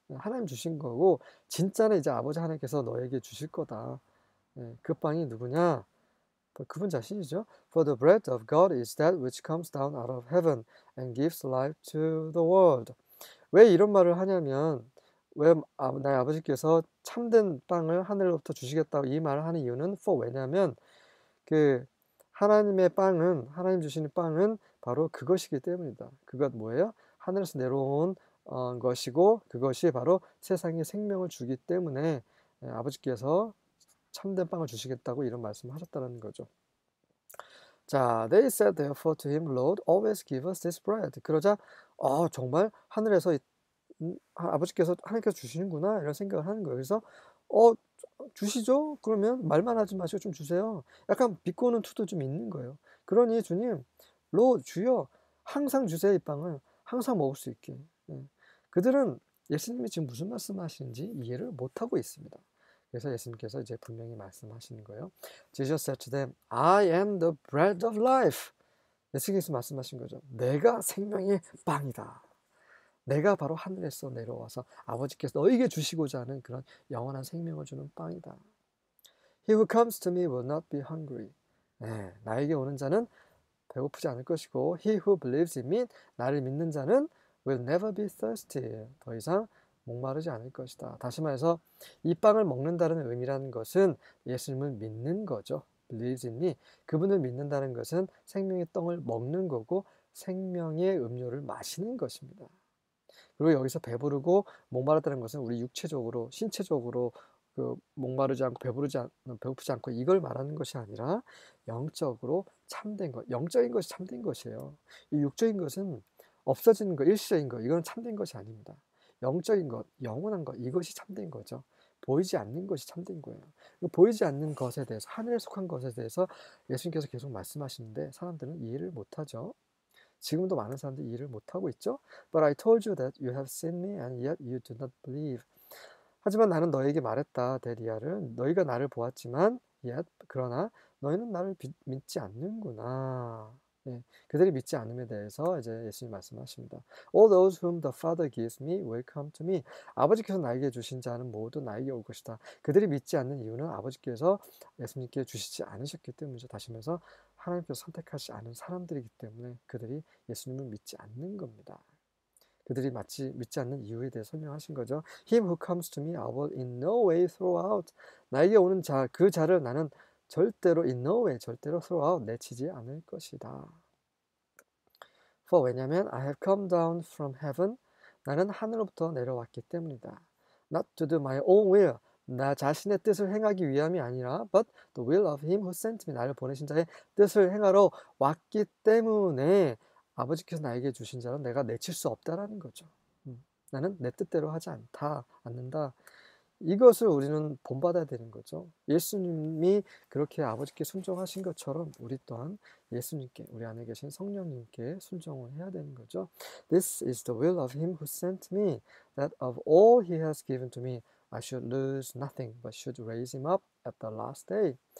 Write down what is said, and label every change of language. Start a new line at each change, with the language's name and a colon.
Korean: 하나님 주신 거고, 진짜는 이제 아버지 하나님께서 너에게 주실 거다. 그 빵이 누구냐? 그분 자신이죠.
English: For the bread of God is that which comes down out of heaven and gives life to the world.
Korean: 왜 이런 말을 하냐면, 왜 나의 아버지께서 참된 빵을 하늘로부터 주시겠다고 이 말을 하는 이유는, for 왜냐면, 하나님 주시는 빵은 바로 그것이기 때문이다. 그것 뭐예요? 하늘에서 내려온 것이고, 그것이 바로 세상에 생명을 주기 때문에 아버지께서 참된 빵을 주시겠다고 이런 말씀을 하셨다는 거죠.
English: 자, they said therefore to him, Lord, always give us this bread.
Korean: 그러자, 정말 하늘에서 하나님께서 주시는구나, 이런 생각을 하는 거예요. 그래서, 주시죠? 그러면 말만 하지 마시고 좀 주세요. 약간 비꼬는 투도 좀 있는 거예요. 그러니 주님, 로 주여, 항상 주세요, 이 빵을. 항상 먹을 수 있게. 그들은 예수님이 지금 무슨 말씀하시는지 이해를 못하고 있습니다. 그래서 예수님께서 이제 분명히 말씀하시는 거예요.
English: Jesus said to them, I am the bread of life.
Korean: 예수님께서 말씀하신 거죠. 내가 생명의 빵이다. 내가 바로 하늘에서 내려와서 아버지께서 너에게 주시고자 하는 그런 영원한 생명을 주는 빵이다.
English: He who comes to me will not be hungry.
Korean: 나에게 오는 자는 배고프지 않을 것이고,
English: He who believes in me,
Korean: 나를 믿는 자는
English: will never be thirsty.
Korean: 더 이상 목마르지 않을 것이다. 다시 말해서 이 빵을 먹는다는 의미라는 것은 예수님을 믿는 거죠.
English: Believes in me.
Korean: 그분을 믿는다는 것은 생명의 떡을 먹는 거고 생명의 음료를 마시는 것입니다. 그리고 여기서 배부르고 목마르다는 것은 우리 육체적으로, 신체적으로 목마르지 않고 배고프지 않고 이걸 말하는 것이 아니라 영적으로 참된 것, 영적인 것이 참된 것이에요. 이 육적인 것은 없어지는 것, 일시적인 것, 이건 참된 것이 아닙니다. 영적인 것, 영원한 것, 이것이 참된 거죠. 보이지 않는 것이 참된 거예요. 보이지 않는 것에 대해서, 하늘에 속한 것에 대해서 예수님께서 계속 말씀하시는데 사람들은 이해를 못하죠. 지금도 많은 사람들이 이해를 못하고 있죠.
English: But I told you that you have seen me and yet you do not believe.
Korean: 하지만 나는 너에게 말했다, 데리아를. 너희가 나를 보았지만, yet, 그러나 너희는 나를 믿지 않는구나. 그들이 믿지 않음에 대해서 이제 예수님 말씀하십니다.
English: All those whom the Father gives me will come to me.
Korean: 아버지께서 나에게 주신 자는 모두 나에게 올 것이다. 그들이 믿지 않는 이유는 아버지께서 예수님께 주시지 않으셨기 때문이죠. 다시 말해서 하나님께서 선택하지 않은 사람들이기 때문에 그들이 예수님을 믿지 않는 겁니다. 그들이 마치 믿지 않는 이유에 대해 설명하신 거죠.
English: Him who comes to me, I will in no way throw out.
Korean: 나에게 오는 자, 그 자를 나는 절대로
English: in no way,
Korean: 절대로
English: throw out,
Korean: 내치지 않을 것이다.
English: For
Korean: 왜냐면
English: I have come down from heaven.
Korean: 나는 하늘로부터 내려왔기 때문이다.
English: Not to do my own will.
Korean: 나 자신의 뜻을 행하기 위함이 아니라,
English: but the will of him who sent me,
Korean: 나를 보내신 자의 뜻을 행하러 왔기 때문에 아버지께서 나에게 주신 자는 내가 내칠 수 없다라는 거죠. 나는 내 뜻대로 하지 않다, 않는다. 이것을 우리는 본받아야 되는 거죠. 예수님이 그렇게 아버지께 순종하신 것처럼 우리 또한 예수님께, 우리 안에 계신 성령님께 순종을 해야 되는 거죠.
English: This is the will of him who sent me, that of all he has given to me, I should lose nothing, but should raise him up at the last day.